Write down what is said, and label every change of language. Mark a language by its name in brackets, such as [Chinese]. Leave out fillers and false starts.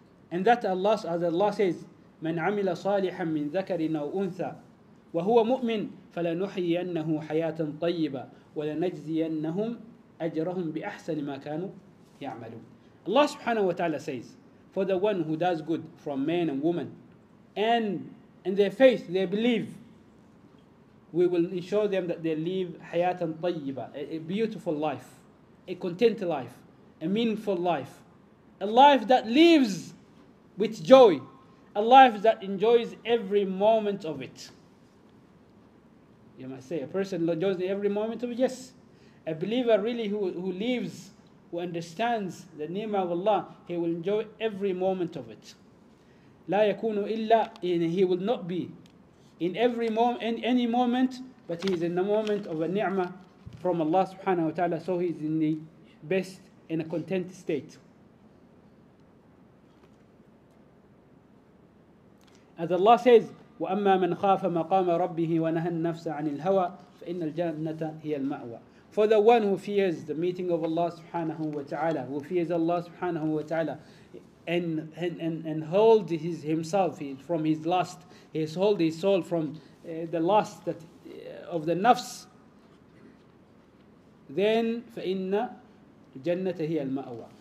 [English] And that Allah, as Allah says, [Arabic] من عمل صالحا من ذكر أو أنثى وهو مؤمن فلنحيينه حياة طيبة ولنجزينهم أَجْرَهُمْ بِأَحْسَنِ مَا كَانُوا يَعْمَلُونَ. [English] Allah subhanahu wa ta'ala says, for the one who does good from man and woman, and in their faith, they believe, we will ensure them that they live [Arabic] حَيَاتًا طَيِّبًا, [English] a beautiful life, a content life, a meaningful life, a life that lives with joy, a life that enjoys every moment of it. You might say, a person enjoys every moment of it, yes. A believer really who lives, who understands the ni'mah of Allah, he will enjoy every moment of it. [Arabic] لا يكون إلا, [English] he will not be in every moment, in any moment, but he is in the moment of a ni'mah from Allah subhanahu wa ta'ala, so he is in the best, in a content state. As Allah says, [Arabic] وَأَمَّا مَنْ خَافَ مَقَامَ رَبِّهِ وَنَهَى النَّفْسَ عَنِ الْهَوَى فَإِنَّ الْجَنَّةَ هِيَ الْمَأْوَى. [English] For the one who fears the meeting of Allah subhanahu wa ta'ala, who fears Allah subhanahu wa ta'ala, and holds his himself from his lust, he holds his soul from the lust that of the nafs, then [Arabic] فَإِنَّ الْجَنَّةَ هِيَ الْمَأْوَى.